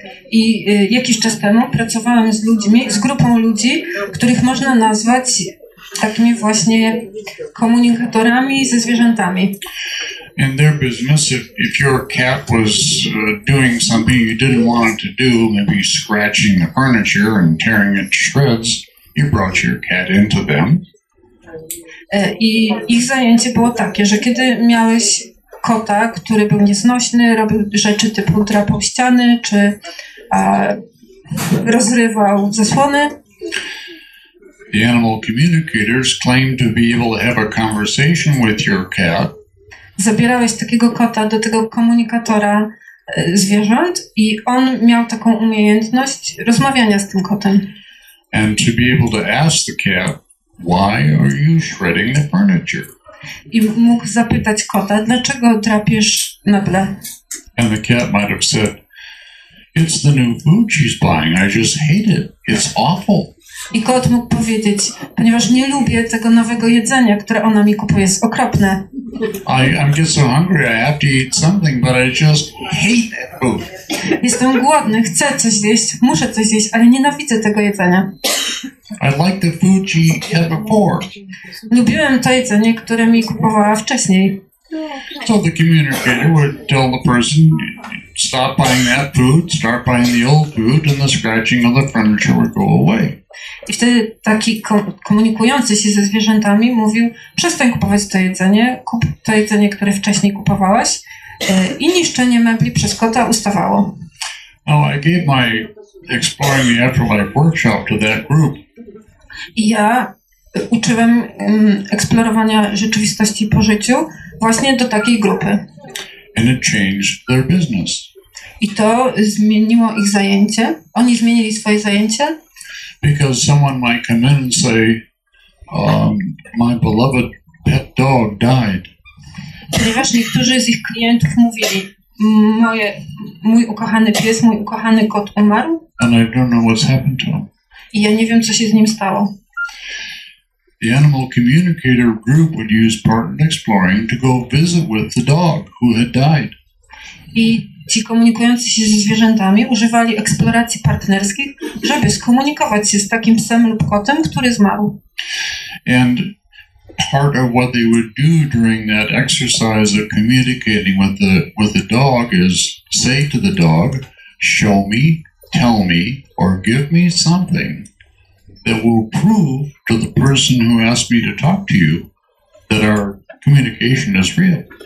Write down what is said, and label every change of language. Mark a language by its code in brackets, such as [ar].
[pl] I jakiś czas temu pracowałam z ludźmi, z grupą ludzi, których można nazwać takimi właśnie komunikatorami ze zwierzętami. [en] In their business, if your cat was doing something you didn't want it to do, maybe scratching the furniture and tearing it to shreds, you brought your cat into them. [pl] I ich zajęcie było takie, że kiedy miałeś kota, który był nieznośny, robił rzeczy typu drapał ściany, czy rozrywał zasłony. [en] The animal communicators claim to be able to have a conversation with your cat. [pl] Zabierałeś takiego kota do tego komunikatora zwierząt i on miał taką umiejętność rozmawiania z tym kotem. [en] And to be able to ask the cat, why are you shredding the furniture? [pl] I mógł zapytać kota, dlaczego drapiesz meble? [en] And the cat might have said, it's the new food she's buying, I just hate it, it's awful. [pl] I kot mógł powiedzieć, ponieważ nie lubię tego nowego jedzenia, które ona mi kupuje, jest okropne. [en] I'm getting so hungry, I have to eat something, but I just hate that food. [pl] Jestem głodny, chcę coś zjeść, muszę coś zjeść, ale nienawidzę tego jedzenia. [en] I like the food she had before. [pl] Lubiłem to jedzenie, które mi kupowała wcześniej. [en] So the communicator would tell the person, stop buying that food, start buying the old food, and the scratching of the furniture would go away. [pl] I wtedy taki komunikujący się ze zwierzętami mówił, przestań kupować to jedzenie, kup to jedzenie, które wcześniej kupowałaś, i niszczenie mebli przez kota ustawało. [en] Now I gave my Exploring the Afterlife workshop to that group. [pl] Ja uczyłem eksplorowania rzeczywistości po życiu właśnie do takiej grupy. [en] And it changed their business. [pl] I to zmieniło ich zajęcie. Oni zmienili swoje zajęcie. [en] Because someone might come in and say, my beloved pet dog died. [pl] Ponieważ niektórzy z ich klientów mówili, mój ukochany pies, mój ukochany kot umarł. [en] And I don't know what's happened to him. [pl] I ja nie wiem, co się z nim stało. [en] The animal communicator group would use partner exploring to go visit with the dog who had died. [pl] I ci komunikujący się ze zwierzętami używali eksploracji partnerskich, żeby skomunikować się z takim psem lub kotem, który zmarł. [en] And part of what they would do during that exercise of communicating with the dog is say to the dog, show me, tell me, or give me something that will prove to the person who asked me to talk to you that our communication is real.